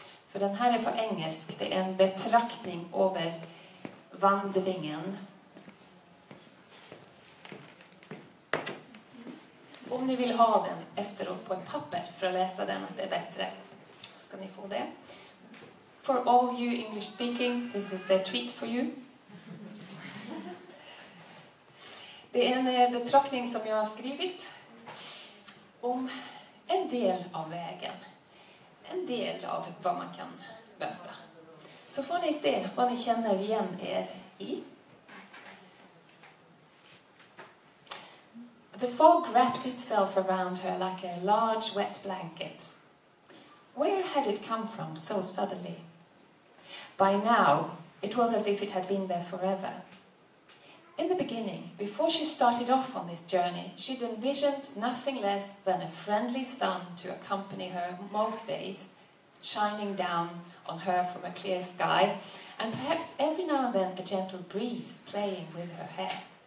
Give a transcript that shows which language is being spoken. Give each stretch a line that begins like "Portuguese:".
Swedish: För den här är på engelsk. Det är en betraktning över vandringen. Om ni vill ha den efteråt på ett papper för att läsa den, att det är bättre, så ska ni få det.
English: For all you English speaking, this is a treat for you.
Swedish: Det är en betraktning som jag har skrivit om en del av vägen. En del av vad man kan möta. Så får ni se vad ni känner igen er i.
English: The fog wrapped itself around her like a large wet blanket. Where had it come from so suddenly? By now, it was as if it had been there forever. In the beginning, before she started off on this journey, she'd envisioned nothing less than a friendly sun to accompany her most days, shining down on her from a clear sky, and perhaps every now and then a gentle breeze playing with her hair.